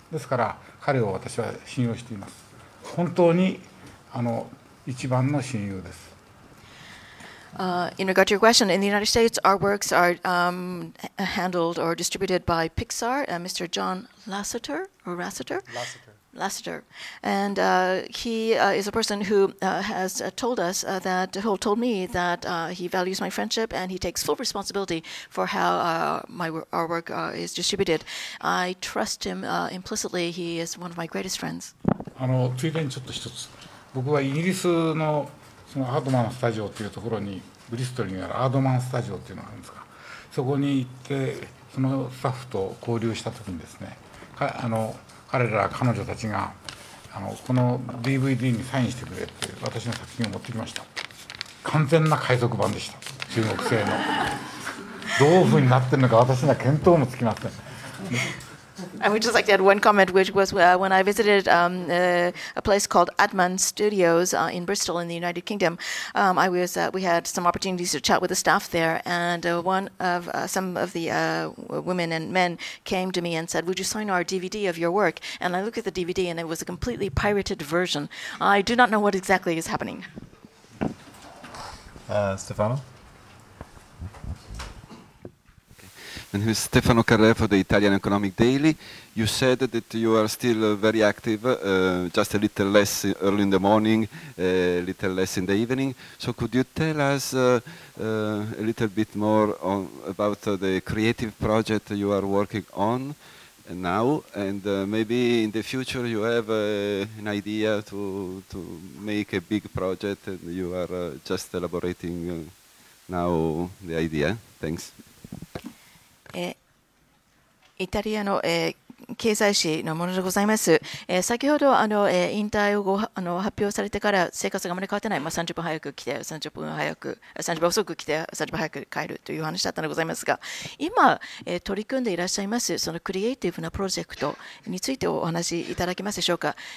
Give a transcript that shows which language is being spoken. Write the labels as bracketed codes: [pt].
[ja] ですから彼を私は信用しています。本当にあの一番の親友です。 [en] In regard to your question, in the United States, our works are handled or distributed by Pixar, Mr. John Lasseter or Lasseter? Lasseter. And he is a person who has told us that, who told me that he values my friendship and he takes full responsibility for how our work is distributed. I trust him implicitly. He is one of my greatest friends. あの、ついでにちょっと一つ。僕はイギリスの、そのアードマンスタジオというところに、ブリストルにあるアードマンスタジオというのがあるんですが、そこに行って、そのスタッフと交流したときにですね、あの、彼ら彼女たちがあのこの DVD にサインしてくれって私の作品を持ってきました。完全な海賊版でした。中国製のどういうふうになってるのか私には見当もつきません。 I would just like to add one comment, which was when I visited a place called Adman Studios in Bristol in the United Kingdom. We had some opportunities to chat with the staff there, and some of the women and men came to me and said, "Would you sign our DVD of your work?" And I looked at the DVD, and it was a completely pirated version. I do not know what exactly is happening. Stefano. My name is Stefano Carre for the Italian Economic Daily. You said that you are still very active, just a little less early in the morning, a little less in the evening. So could you tell us a little bit more about the creative project you are working on now, and maybe in the future you have an idea to make a big project and you are just elaborating now the idea. Thanks. [ja] イタリアの経済誌のものでございます。先ほどあの引退をあの発表されてから生活があまり変わってない、まあ、30分早く来て30分早く30分遅く来て30分早く帰るという話だったのでございますが、今取り組んでいらっしゃいますそのクリエイティブなプロジェクトについてお話しいただけますでしょうか。